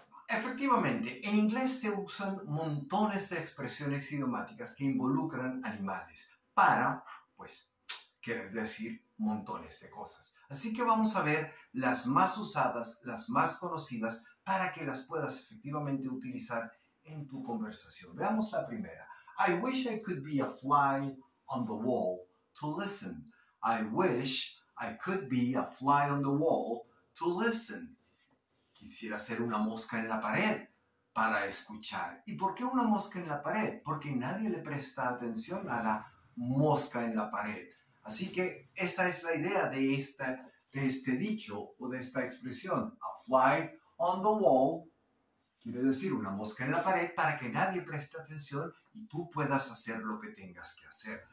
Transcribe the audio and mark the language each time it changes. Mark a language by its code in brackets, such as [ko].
[es] Efectivamente, en inglés se usan montones de expresiones idiomáticas que involucran animales para, pues, quieres decir, montones de cosas. Así que vamos a ver las más usadas, las más conocidas, para que las puedas efectivamente utilizar en tu conversación. Veamos la primera. [en] I wish I could be a fly on the wall to listen. I wish I could be a fly on the wall to listen. [es] Quisiera ser una mosca en la pared para escuchar. ¿Y por qué una mosca en la pared? Porque nadie le presta atención a la mosca en la pared. Así que esa es la idea de este dicho o de esta expresión. [en] A fly on the wall, [es] quiere decir una mosca en la pared, para que nadie preste atención y tú puedas hacer lo que tengas que hacer.